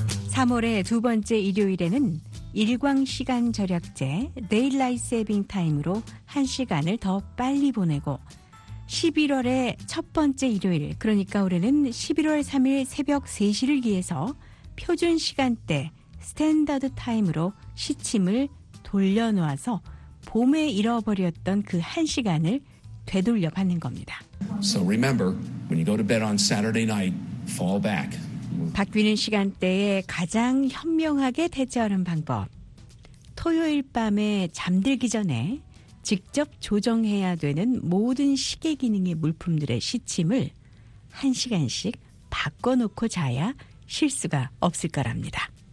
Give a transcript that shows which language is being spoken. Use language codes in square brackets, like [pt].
[ko] 3월의 두 번째 일요일에는 일광 시간 절약제 데일라이트 세이빙 타임으로 한 시간을 더 빨리 보내고 11월의 첫 번째 일요일, 그러니까 올해는 11월 3일 새벽 3시를 기해서 표준 시간대 스탠다드 타임으로 시침을 돌려놓아서 봄에 잃어버렸던 그 한 시간을 되돌려 받는 겁니다. [en] So remember, when you go to bed on Saturday night, fall back. [ko] 바뀌는 시간대에 가장 현명하게 대처하는 방법. 토요일 밤에 잠들기 전에 직접 조정해야 되는 모든 시계 기능의 물품들의 시침을 한 시간씩 바꿔놓고 자야 실수가 없을 거랍니다.